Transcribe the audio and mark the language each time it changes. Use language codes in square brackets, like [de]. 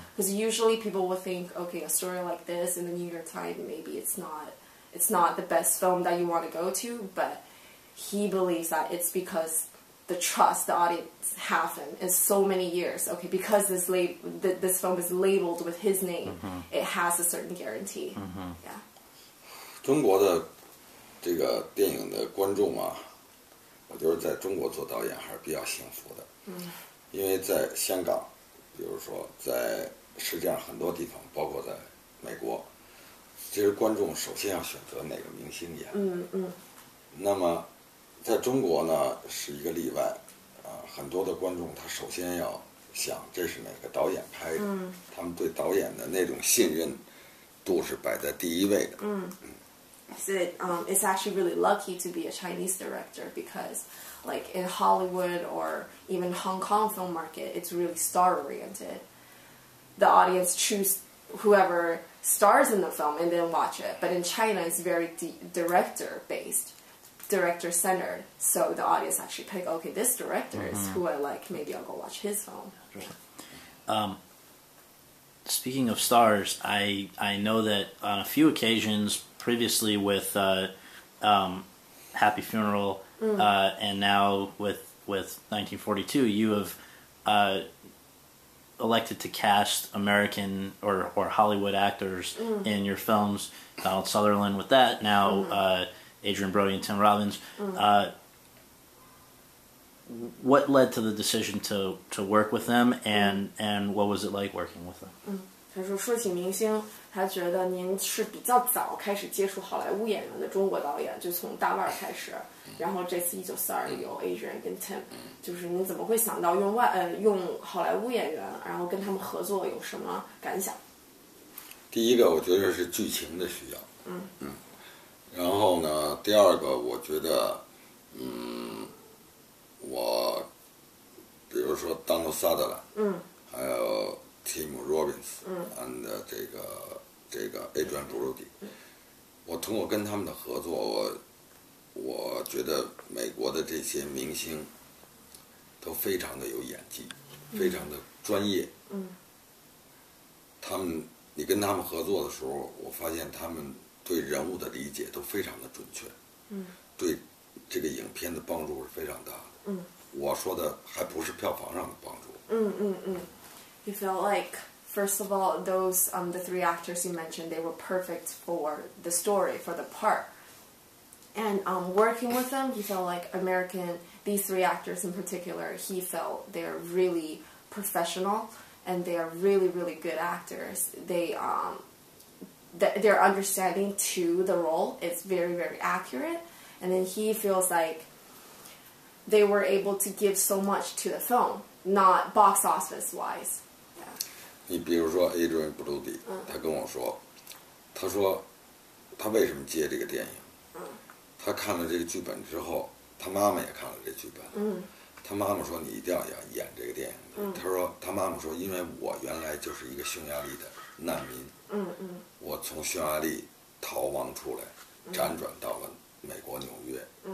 [en] Because usually people will think, okay, a story like this in the New York Times, maybe it's not the best film that you want to go to. But he believes that it's because the trust the audience have him is so many years. Okay, because this film is labeled with his name, it has a certain guarantee. Yeah. [zh] 这个电影的观众啊，我觉得在中国做导演还是比较幸福的，因为在香港比如说在世界上很多地方，包括在美国，其实观众首先要选择哪个明星演。嗯嗯。那么在中国呢是一个例外啊，很多的观众他首先要想这是哪个导演拍的，嗯，他们对导演的那种信任度是摆在第一位的。嗯。 [en] I said, it's actually really lucky to be a Chinese director because, like, in Hollywood or even Hong Kong film market, it's really star-oriented. The audience choose whoever stars in the film and then watch it. But in China, it's very director-based, director-centered. So the audience actually pick, okay, this director is who I like. Maybe I'll go watch his film. Speaking of stars, I know that on a few occasions previously with Happy Funeral, and now with 1942, you have elected to cast American or Hollywood actors in your films. Donald Sutherland with that, now Adrian Brody and Tim Robbins. What led to the decision to work with them, and what was it like working with them? [zh] 他说说起明星，他觉得您是比较早开始接触好莱坞演员的中国导演，就从大腕开始，然后这次1942有 Adrian 跟 Tim， 就是您怎么会想到用好莱坞演员，然后跟他们合作，有什么感想？第一个我觉得是剧情的需要，然后呢第二个我觉得我比如说 Donald Sutherland， 还有Tim Robbins and 这个 Adrian Brody， 我通过跟他们的合作，我觉得美国的这些明星都非常的有演技，非常的专业。他们，你跟他们合作的时候，我发现他们对人物的理解都非常的准确。对这个影片的帮助是非常大的。我说的还不是票房上的帮助。 [en] You feel like, first of all, those the three actors you mentioned, they were perfect for the story, for the part. And working with them, you feel like American, these three actors in particular, he felt they're really professional and they are really, really good actors. Their understanding to the role is very, very accurate. And then he feels like they were able to give so much to the film, not box office wise. [zh] 你比如说 Adrian Brody， 他跟我说，他说他为什么接这个电影，他看了这个剧本之后，他妈妈也看了这剧本，他妈妈说你一定要演这个电影，他说他妈妈说因为我原来就是一个匈牙利的难民，我从匈牙利逃亡出来辗转到了美国纽约，